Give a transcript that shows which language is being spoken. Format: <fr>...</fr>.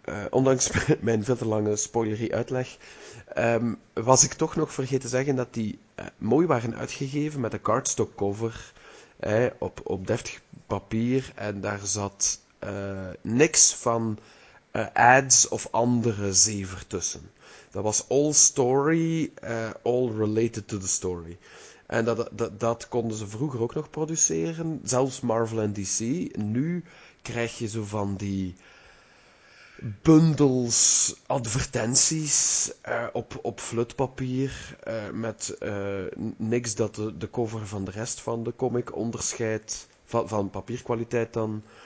<nl>Ondanks mijn veel te lange spoilery uitleg, was ik toch nog vergeten te zeggen dat die mooi waren uitgegeven met een cardstock cover op deftig papier. En daar zat niks van ads of andere zevertussen. Dat was</nl> <en>all story, all related to the story.</en> <nl>En dat konden ze vroeger ook nog produceren, zelfs Marvel en DC. Nu krijg je zo van die bundels advertenties op flutpapier met niks dat de cover van de rest van de comic onderscheidt, van papierkwaliteit dan.</nl>